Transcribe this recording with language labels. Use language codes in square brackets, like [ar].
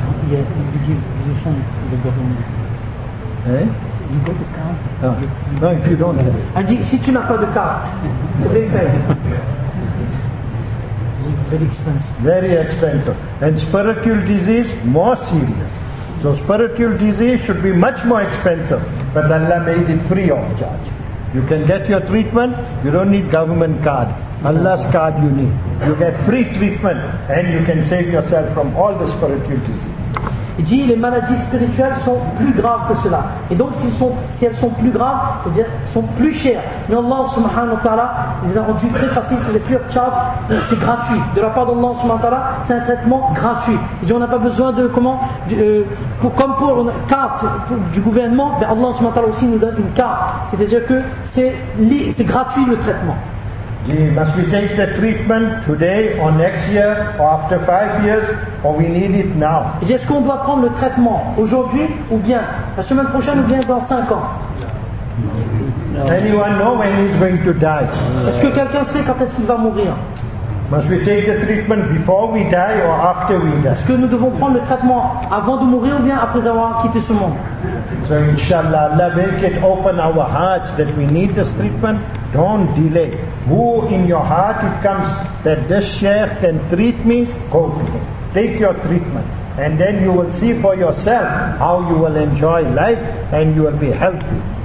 [en] Yeah, you give the fund to the government. Hein? You got the card? No, if you don't have it. [fr] Elle dit, si tu n'as pas de carte, tu les payes. [en] It's very expensive. Very expensive. And spiritual disease, more serious. So spiritual disease should be much more expensive. But Allah made it free of charge. You can get your treatment, you don't need government card. Allah's card you need. You get free treatment and you can save yourself from all the spiritual diseases. [fr] Il dit les maladies spirituelles sont plus graves que cela. Et donc si elles sont plus graves, c'est-à-dire sont plus chères. Mais Allah subhanahu wa ta'ala les a rendues très faciles, c'est les [en] free of charge, [fr] c'est gratuit. De la part d'Allah subhanahu wa ta'ala, c'est un traitement gratuit. Il dit on n'a pas besoin de comment pour une carte du gouvernement, ben Allah subhanahu wa ta'ala aussi nous donne une carte. C'est-à-dire que c'est gratuit le traitement. [en] Must we take the treatment today or next year or after 5 years or we need it now? [fr] Est-ce qu'on doit prendre le traitement aujourd'hui ou bien la semaine prochaine ou bien dans 5 ans? [en] No. Anyone know when he's going to die? [fr] Est-ce que quelqu'un sait quand est-ce qu'il va mourir? [en] Must we take the treatment before we die or after we die? [fr] Est-ce que nous devons prendre le traitement avant de mourir ou bien après avoir quitté ce monde? [en] So inshallah, Allah make it open our hearts that we need this treatment. Don't delay. Who in your heart it comes that this sheikh can treat me, go to him. Take your treatment. And then you will see for yourself how you will enjoy life and you will be healthy.